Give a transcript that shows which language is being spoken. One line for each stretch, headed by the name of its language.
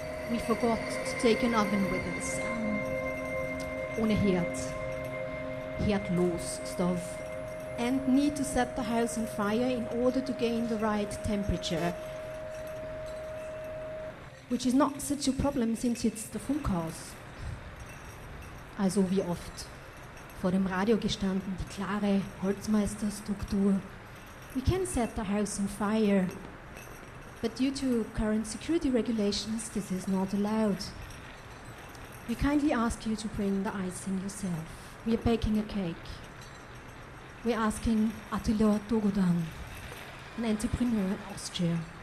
English: We forgot to take an oven with us.
German: Ohne Herd.
English: Herdlos stuff. And need to set the house on fire in order to gain the right temperature. Which is not such a problem since it's the Funkhaus.
German: Also wie oft vor dem Radio gestanden, die klare Holzmeisterstruktur.
English: We can set the house on fire, but due to current security regulations, this is not allowed. We kindly ask you to bring the icing yourself. We are baking a cake. We are asking Attila Dogudan, an entrepreneur in Austria.